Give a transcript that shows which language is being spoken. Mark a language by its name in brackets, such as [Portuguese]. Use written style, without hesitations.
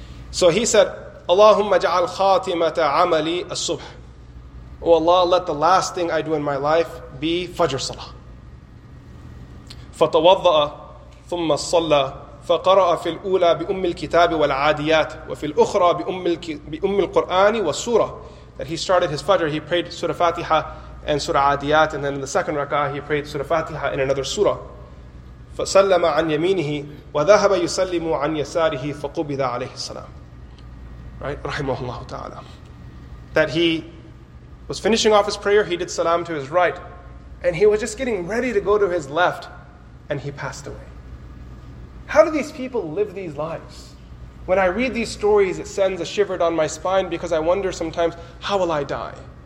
[English] So he said, [Arabic] اللهم اجعل خاتمة عملي الصبح. [English] Oh Allah, let the last thing I do in my life be Fajr Salah. [Arabic] فتوضأ ثم صلى فقرأ في الأولى بأم الكتاب والعاديات وفي الأخرى بأم القرآن والسورة. [English] That he started his Fajr, he prayed Surah Fatiha and Surah Adiyat, and then in the second rak'ah he prayed Surah Fatiha in another surah. [Arabic] فسلم عن يمينه وذهب يسلم عن يساره فقبض عليه السلام. [English] Right, rahimahullah ta'ala. That he was finishing off his prayer, he did salam to his right, and he was just getting ready to go to his left, and he passed away. How do these people live these lives? When I read these stories, it sends a shiver down my spine, because I wonder sometimes, how will I die?